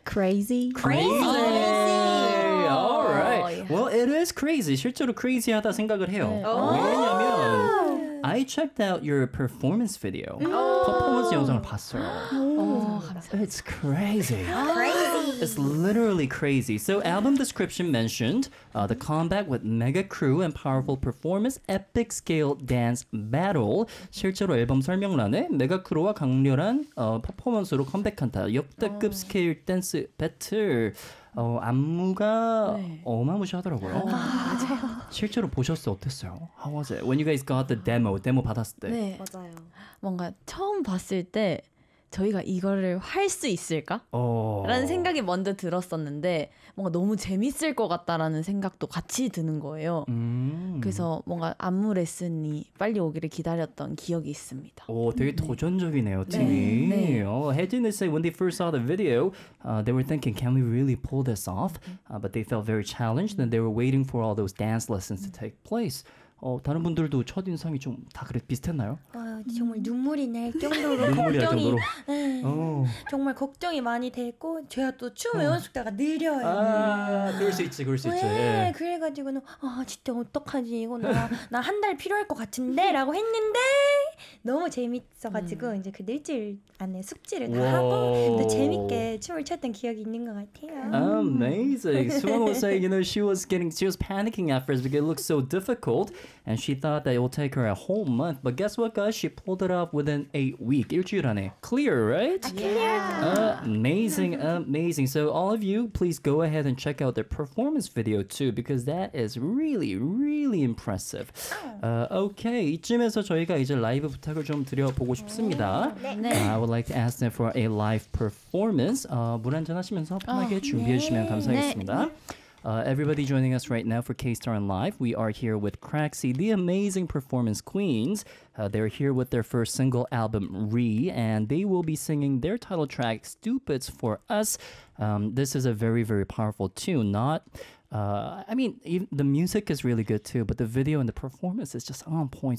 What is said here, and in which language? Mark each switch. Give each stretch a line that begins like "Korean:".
English: Crazy. Crazy. Crazy. All right. Well, it is crazy.
Korean: 실제로 crazy하다 생각을 해요. 왜냐면
English: I checked out your performance video.
Korean: 퍼포먼스 영상을 봤어요.
English: It's crazy. Crazy. It's literally crazy. So album description mentioned the combat with mega crew and powerful performance, epic scale dance battle.
Korean: 실제로 앨범 설명란에 메가 크루와 강렬한 퍼포먼스로 컴백한다. 역대급 스케일 댄스 배틀. 안무가 네. 어마무시하더라고요. 아, 맞아요. 실제로 보셨어요? 어땠어요?
English: How was it? When you guys got the demo,
Korean: 데모 받았을 때. 네. 맞아요. 뭔가 처음 봤을 때 저희가 이거를 할 수 있을까? 라는 생각이 먼저 들었었는데 뭔가 너무 재밌을 것 같다라는 생각도 같이 드는 거예요. 그래서 뭔가 안무 레슨이 빨리 오기를 기다렸던 기억이 있습니다. 오, 되게 도전적이네요, 네. 팀이. 네. 네.
English: Hedin is saying when they first saw the video, they were thinking, can we really pull this off? But they felt very challenged and they were waiting for all those dance lessons to take place.
Korean: 다른 분들도 첫 인상이 좀 다 그래 비슷했나요? 정말 눈물이 날 정도로 눈물이 날 정도로 정말 걱정이 많이 됐고 제가 또 춤 연습다가 느려요. 아, 그럴 수 있지, 그럴 수 있지. 네, 그래가지고는 진짜 어떡하지 이거 나 한 달 필요할 것 같은데 라고 했는데 너무 재밌어가지고 이제 그 일주일 안에 숙지를 다 하고 또 재밌게 춤을 췄던 기억이 있는 것 같아요.
English: Amazing. Someone was saying, you know, she was panicking at first because it looked so difficult, and she thought that it would take her a whole month. But guess what, guys? She pulled it off within 8 weeks.
Korean: 일주일 안에
English: clear, right? Clear. Amazing, amazing. So all of you, please go ahead and check out their performance video too, because that is really, really impressive.
Korean: Okay, 이쯤에서 저희가 이제 라이브 부탁을 좀 드려보고 싶습니다. 네.
English: I would like to ask them for a live performance.
Korean: 물 한잔 하시면서 편하게 준비해 주시면 감사하겠습니다. 네.
English: Everybody joining us right now for K-Star and Live, we are here with Craxy, the amazing performance queens. They're here with their first single album, Re, and they will be singing their title track, Stupids, for us. This is a very, very powerful tune, not... I mean, the music is really good too, but the video and the performance is just on point.